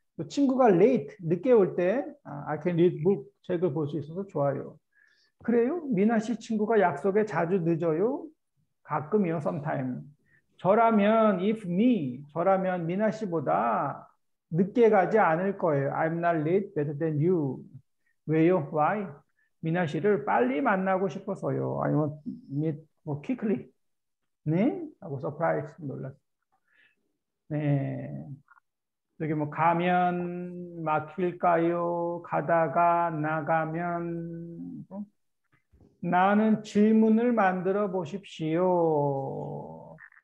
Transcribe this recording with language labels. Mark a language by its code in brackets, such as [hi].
[ko] 친구가 late, 늦게 올 때 [en] I can read book, [ko] 책을 볼 수 있어서 좋아요. 그래요? 미나 씨 친구가 약속에 자주 늦어요? 가끔이요, sometime. 저라면, [en] if me, [ko] 저라면 미나 씨보다 늦게 가지 않을 거예요. [en] I'm not late better than you. [ko] 왜요? [en] Why? [ko] 미나 씨를 빨리 만나고 싶어서요. [en] I want meet more quickly. [ko] 네? 하고 서프라이즈 놀랐어. 네. 여기 뭐 가면 막힐까요? 가다가 나가면 뭐? 나는 질문을 만들어 보십시오.